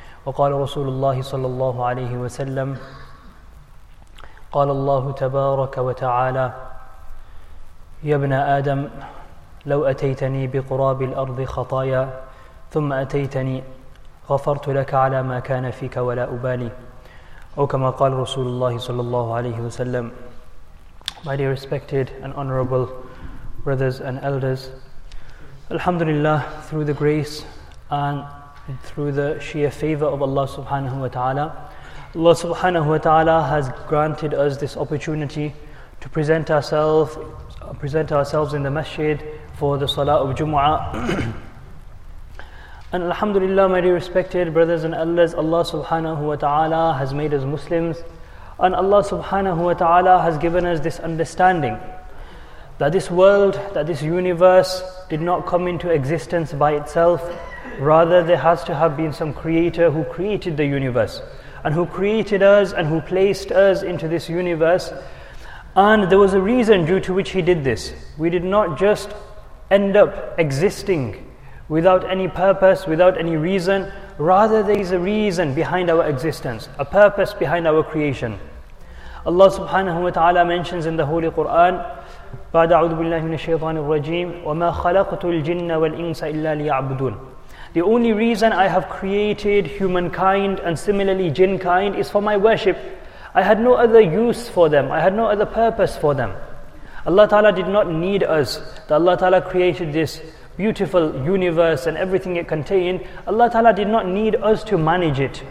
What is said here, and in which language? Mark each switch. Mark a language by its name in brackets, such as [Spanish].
[Arabic] وقال رسول الله صلى الله عليه وسلم، قال الله تبارك وتعالى: يا ابن آدم، لو أتيتني بقراب الأرض خطايا ثم أتيتني غفرت لك على ما كان فيك ولا أبالي. أو كما قال رسول الله صلى الله عليه وسلم. [English] My dear respected and honorable brothers and elders, Alhamdulillah, through the grace and through the sheer favor of Allah subhanahu wa ta'ala, Allah subhanahu wa ta'ala has granted us this opportunity to present ourselves in the masjid for the salah of Jumu'ah. And Alhamdulillah, my dear respected brothers and elders, Allah subhanahu wa ta'ala has made us Muslims. And Allah subhanahu wa ta'ala has given us this understanding that this world, that this universe did not come into existence by itself. Rather, there has to have been some creator who created the universe and who created us and who placed us into this universe. And there was a reason due to which he did this. We did not just end up existing without any purpose, without any reason. Rather, there is a reason behind our existence, a purpose behind our creation. Allah subhanahu wa ta'ala mentions in the Holy Quran, [Arabic] بَعْدَ أَعُوذُ بِاللَّهِ مِنَ الشَّيْطَانِ الرَّجِيمِ وَمَا خَلَقْتُ الْجِنَّ وَالْإِنسَ إِلَّا لِيَعْبُدُونَ. [English] The only reason I have created humankind and similarly jinnkind is for my worship. I had no other use for them. I had no other purpose for them. Allah ta'ala did not need us. That Allah ta'ala created this beautiful universe and everything it contained, Allah Ta'ala did not need us to manage it.